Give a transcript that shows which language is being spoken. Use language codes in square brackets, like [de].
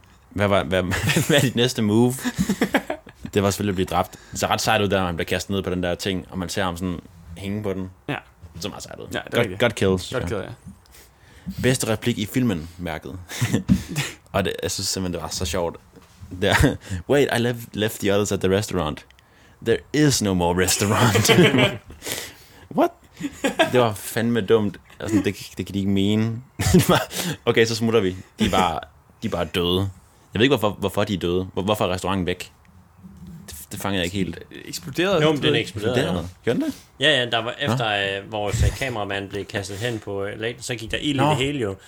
[da] Hvad er dit næste move? Det var selvfølgelig at blive dræbt. Det ser ret sejt ud, der han bliver kastet ned på den der ting, og man ser ham sådan hænge på den. Ja. Så meget sejt ud. Ja, godt kill. Godt kill, ja. Bedste replik i filmen, mærket. Og det, jeg synes simpelthen, det var så sjovt. Der, [en] wait, I left the others at the restaurant. There is no more restaurant. What? [da] Det var fandme dumt. Sådan, det kan de ikke mene. Okay, så smutter vi. De er bare døde. Jeg ved ikke, hvorfor de er døde. Hvorfor er restauranten væk? Det fangede jeg ikke helt. Eksploderede? Jo, den eksploderede. Gjorde den det? Ja, ja. Der var efter, vores kameramand blev kastet hen på lagen, så gik der ild i det hele jo.